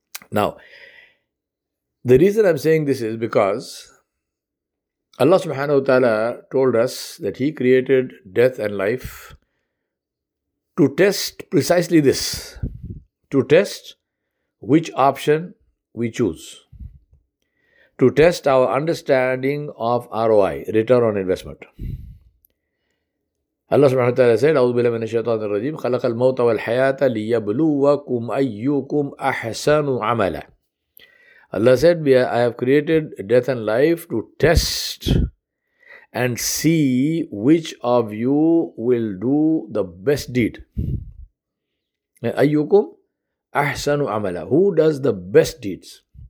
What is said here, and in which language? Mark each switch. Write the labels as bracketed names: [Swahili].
[English] Now, the reason I'm saying this is because Allah subhanahu wa ta'ala told us that He created death and life to test precisely this, to test which option we choose, to test our understanding of ROI, return on investment. [Arabic] Allah subhanahu wa ta'ala said, أعوذ بالله من الشيطان الرجيم خلق الموت والحياة ليبلوكم أيكم أحسن عملا. [English] Allah said, I have created death and life to test and see which of you will do the best deed. [Arabic] أيكم أحسن عملا. [English] Who does the best deeds?